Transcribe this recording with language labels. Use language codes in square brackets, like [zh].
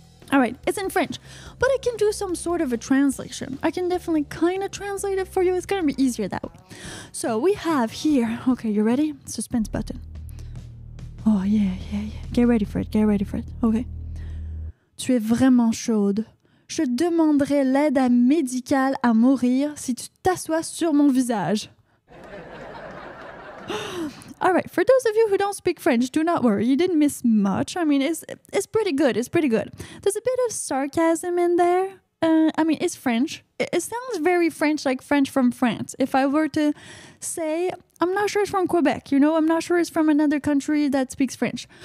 [en] All right, it's in French, but I can do some sort of a translation. I can definitely kind of translate it for you. It's gonna be easier that way. So we have here, okay, you ready? Suspense button. Oh, yeah, yeah, yeah. Get ready for it, get ready for it. [fr] Okay. Tu es vraiment chaude. Je demanderai l'aide médicale à mourir si tu t'assois sur mon visage. [en] All right, for those of you who don't speak French, do not worry. You didn't miss much. I mean, it's pretty good. It's pretty good. There's a bit of sarcasm in there. I mean, it's French. It sounds very French, like French from France. If I were to say, I'm not sure it's from Quebec, you know, I'm not sure it's from another country that speaks French.